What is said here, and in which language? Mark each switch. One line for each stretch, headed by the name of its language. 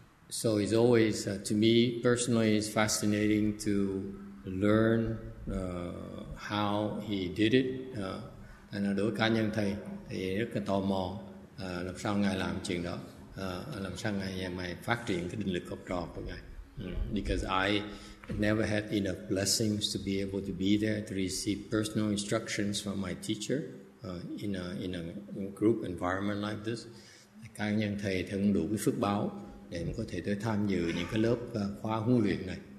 English: So it's always, to me personally, it's fascinating to learn how he did it.
Vietnamese: Anh là đối cá nhân thầy thì rất là tò mò làm sao ngài làm chuyện đó, làm sao ngài mày phát triển cái định lực học trò của ngài.
English: Because I never had enough blessings to be able to be there to receive personal instructions from my teacher in a group environment like this.
Vietnamese: Cá nhân thầy thì không đủ cái phước báo để có thể tới tham dự những cái lớp khóa huấn luyện này.